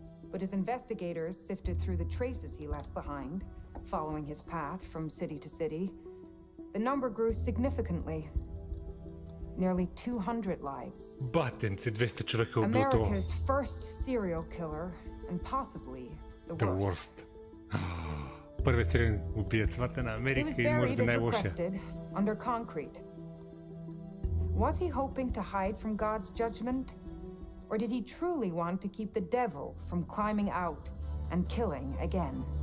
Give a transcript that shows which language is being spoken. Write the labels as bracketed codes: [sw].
[en] But his investigators sifted through the traces he left behind, following his path from city to city. The number grew significantly. Nearly 200 lives. But in [bg] 200 човека убил това. [en] America's first serial killer, and possibly the worst. [bg] Първият сериен убиец в Америка и може би най-лошия. [en] He was buried under concrete. Was he hoping to hide from God's judgment? Or did he truly want to keep the devil from climbing out and killing again?